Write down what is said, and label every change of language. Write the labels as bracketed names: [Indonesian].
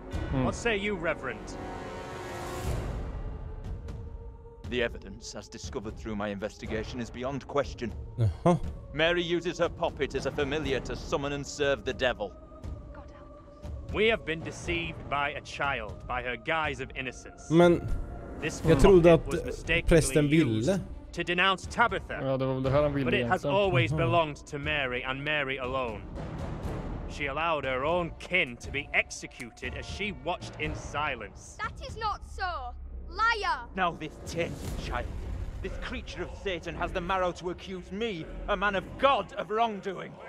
[English] Hmm. What say you, Reverend? The evidence, as discovered through my investigation, is beyond question. Uh-huh. Mary uses her poppet as a familiar to summon and serve the devil. We have been deceived by a child, by her guise of innocence. [Swedish] Men, this jag trodde att prästen ville. [English] To denounce Tabitha. [Swedish] Ja, det var väl det här han ville. [English] But it has always belonged to Mary and Mary alone. She allowed her own kin to be executed as she watched in silence. That is not so. Liar! Now this tainted child, this creature of Satan has the marrow to accuse me, a man of God, of wrongdoing.